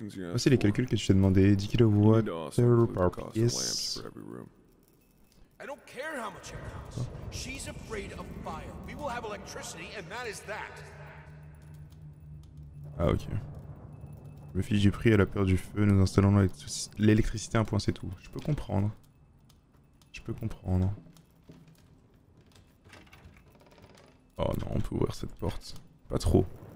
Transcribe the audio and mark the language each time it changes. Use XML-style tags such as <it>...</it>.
<fr>Voici les calculs que tu t'es demandé, 10 kW par pièce.</fr> <en>I don't care how much it costs. She's afraid of fire. We will have electricity and that is that.</en> <fr>Ah ok. Je me fiche du prix, elle a peur du feu, nous installons l'électricité, un point c'est tout. Je peux comprendre. Je peux comprendre. Oh non, on peut ouvrir cette porte. Pas trop.</fr>